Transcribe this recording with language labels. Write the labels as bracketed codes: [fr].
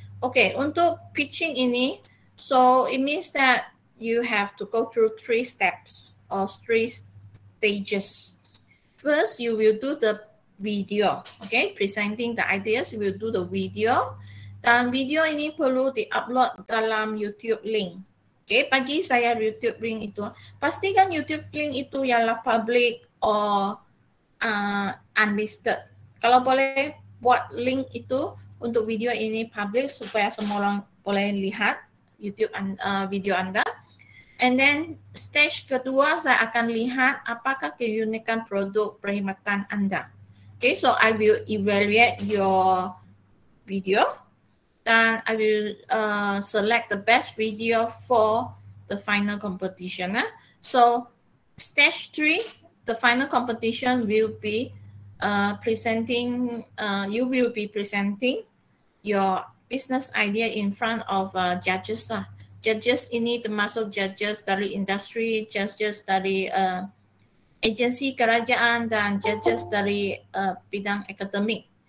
[en] Okay, [ms] untuk pitching ini, [en] so it means that you have to go through three steps or three stages. First, you will do the video, okay, presenting the ideas, you will do the video. [ms] Dan video ini perlu di-upload dalam YouTube link. Okay, bagi saya YouTube link itu, pastikan YouTube link itu ialah [en] public or unlisted. [ms] Kalau boleh buat link itu untuk video ini public supaya semua orang boleh lihat YouTube video anda. [en] And then [ms] stage kedua, saya akan lihat apakah keunikan produk perkhidmatan anda. [en] Okay, so I will evaluate your video. [ms] Dan [en] I will select the best video for the final competition. So stage three, the final competition will be presenting. You will be presenting your business idea in front of judges. [ms] Judges ini termasuk judges dari industri, judges dari agensi kerajaan dan judges dari bidang akademik.